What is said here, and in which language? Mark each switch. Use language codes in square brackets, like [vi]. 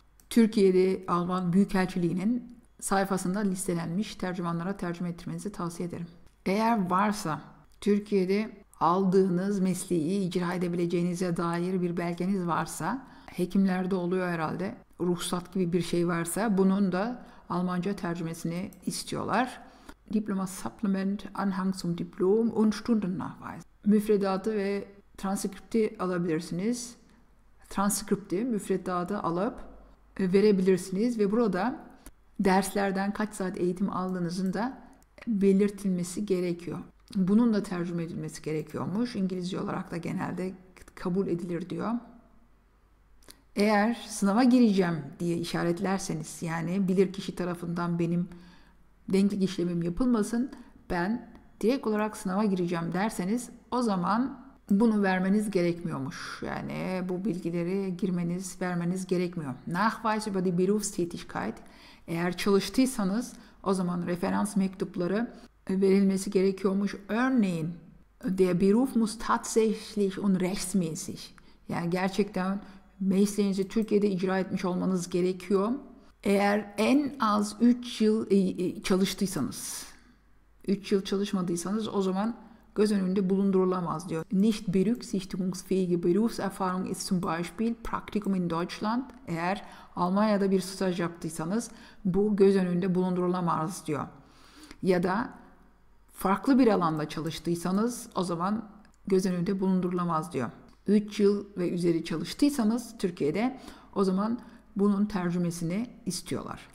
[tr] Türkiye'de Alman Büyükelçiliği'nin sayfasında listelenmiş tercümanlara tercüme ettirmenizi tavsiye ederim. Eğer varsa Türkiye'de aldığınız mesleği icra edebileceğinize dair bir belgeniz varsa, hekimlerde oluyor herhalde, ruhsat gibi bir şey varsa bunun da Almanca tercümesini istiyorlar. [de] Diploma supplement, Anhang zum Diplom und Stundennachweis. [tr] Müfredatı ve transkripti alabilirsiniz. Transkripti, müfredatı alıp verebilirsiniz ve burada derslerden kaç saat eğitim aldığınızın da belirtilmesi gerekiyor. Bunun da tercüme edilmesi gerekiyormuş. İngilizce olarak da genelde kabul edilir diyor. Eğer sınava gireceğim diye işaretlerseniz, yani bilirkişi tarafından benim denklik işlemim yapılmasın, ben direkt olarak sınava gireceğim derseniz o zaman bunu vermeniz gerekmiyormuş. Yani bu bilgileri girmeniz, vermeniz gerekmiyor. [de] Nachweis über die Berufstätigkeit. [tr] Eğer çalıştıysanız o zaman referans mektupları verilmesi gerekiyormuş. [de] Örneğin, der Beruf muss tatsächlich und rechtsmäßig. [tr] Yani gerçekten mesleğinizi Türkiye'de icra etmiş olmanız gerekiyor. Eğer en az 3 yıl çalıştıysanız, 3 yıl çalışmadıysanız o zaman göz önünde bulundurulamaz diyor. [de] Nicht berücksichtigungsfähige Berufserfahrung ist zum Beispiel Praktikum in Deutschland. [tr] Eğer Almanya'da bir staj yaptıysanız bu göz önünde bulundurulamaz diyor. Ya da farklı bir alanda çalıştıysanız o zaman göz önünde bulundurulamaz diyor. 3 yıl ve üzeri çalıştıysanız Türkiye'de o zaman bunun tercümesini istiyorlar.